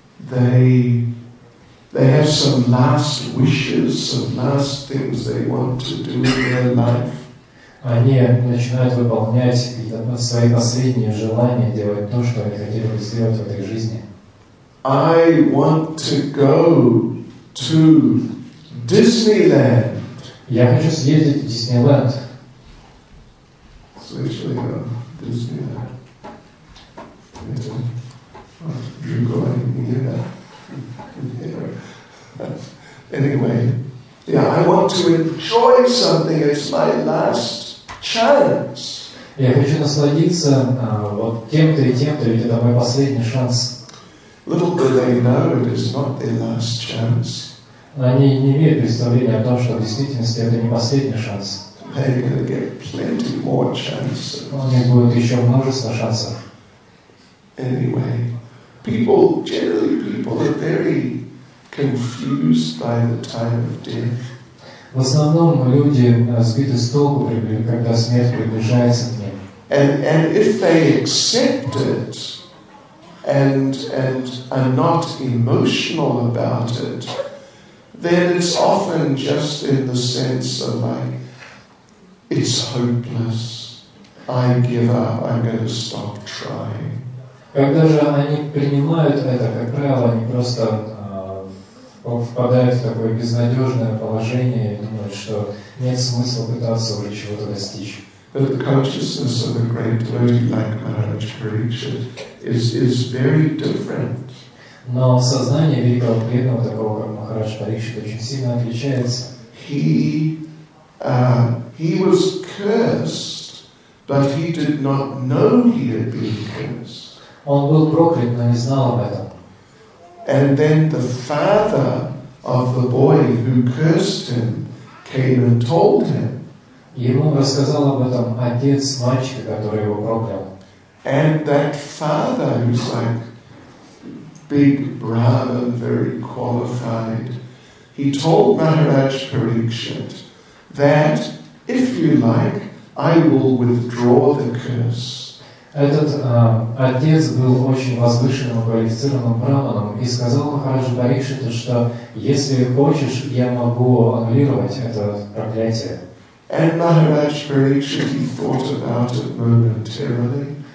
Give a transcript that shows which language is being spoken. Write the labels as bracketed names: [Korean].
[English] then they have some last wishes, some last things they want to do in their life. [Russian] Они начинают выполнять свои последние желания, делать то, что они хотели бы сделать в этой жизни. [English] I want to go to Disneyland. [Russian] Я хочу съездить в Диснейленд. [English] Especially in Disneyland. You're going here. Anyway, yeah, I want to enjoy something. It's my last chance. [Russian] Я хочу насладиться вот тем-то и тем-то, ведь это мой последний шанс. [English] Little do they know it is not their last chance. [Russian] Они не имеют представления о том, что в действительности это не последний шанс. [English] They're going to get plenty more chances. [Russian] У них будет еще множество шансов. [English] Anyway, people are very confused by the time of death. [Russian] В основном люди сбиты с толку, когда смерть приближается к ним. [English] And if they accept it, and are not emotional about it, then it's often just in the sense of like, it's hopeless, I give up, I'm going to stop trying. [Russian] Когда же они принимают это, как правило, они просто впадают в такое безнадежное положение и думают, что нет смысла пытаться уже чего-то достичь. [English] But the consciousness of a great devotee like Maharaj Parikshit is very different. [Russian] Но сознание великого преданного такого как Махарадж Парикшит очень сильно отличается. [English] He was cursed, but he did not know he had been cursed. [Russian] Он был проклят, но не знал об этом. [English] And then the father of the boy who cursed him came and told him. [Russian] Ему рассказал об этом отец мальчика, который его проклял. [English] And that father, who's like big brother, very qualified, he told Maharaj Parikshit that, if you like, I will withdraw the curse. [Russian] Этот отец был очень возвышенным квалифицированным браманом и сказал Махараджу Парикшиту, что если хочешь, я могу аннулировать это проклятие. [English] And Maharaj Parikshit thought about it momentarily.